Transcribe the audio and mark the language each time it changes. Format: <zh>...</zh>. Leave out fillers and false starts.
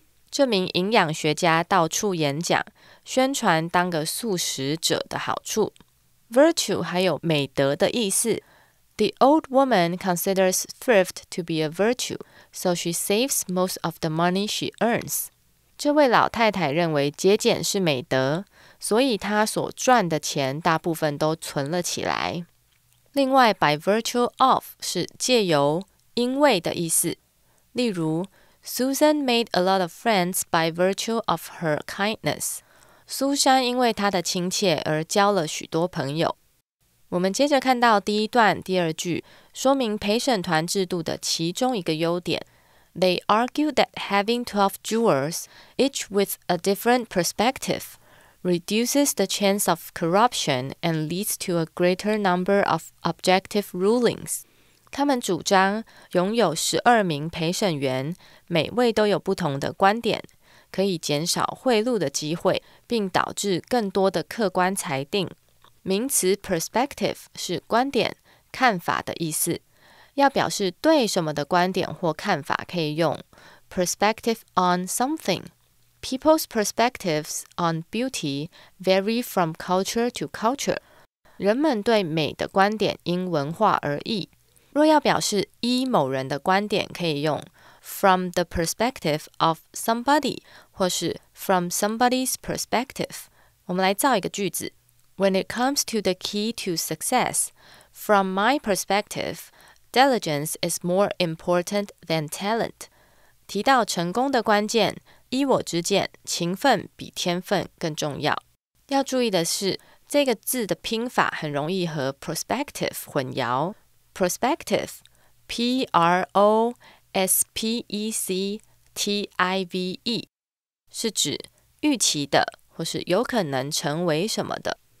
<zh>这名营养学家到处演讲，宣传当个素食者的好处。 Virtue 还有美德的意思。</zh> <en>The old woman considers thrift to be a virtue, so she saves most of the money she earns.</en> <zh>这位老太太认为节俭是美德，所以她所赚的钱大部分都存了起来。另外</zh> <en>by virtue of</en> <zh>是借由、因为的意思。例如</zh> <en>Susan made a lot of friends by virtue of her kindness.</en> <zh>苏珊因为她的亲切而交了许多朋友。我们接着看到第一段第二句，说明陪审团制度的其中一个优点。</zh> <en>They argue that having 12 jurors, each with a different perspective, reduces the chance of corruption and leads to a greater number of objective rulings.</en> <zh>他们主张拥有12名陪审员，每位都有不同的观点，可以减少贿赂的机会，并导致更多的客观裁定。名词 perspective 是观点、看法的意思。要表示对什么的观点或看法可以用</zh> <en>perspective on something. People's perspectives on beauty vary from culture to culture.</en> <zh>人们对美的观点因文化而异。若要表示依某人的观点可以用</zh> <en>from the perspective of somebody</en> <zh>或是</zh> <en>from somebody's perspective.</en> <zh>我们来造一个句子。</zh> <en>When it comes to the key to success, from my perspective,Diligence is more important than talent.</en> <zh>提到成功的关键，依我之见，勤奋比天分更重要。要注意的是，这个字的拼法很容易和 prospective 混淆。 Prospective, P-R-O-S-P-E-C-T-I-V-E, 是指预期的或是有可能成为什么的。</zh>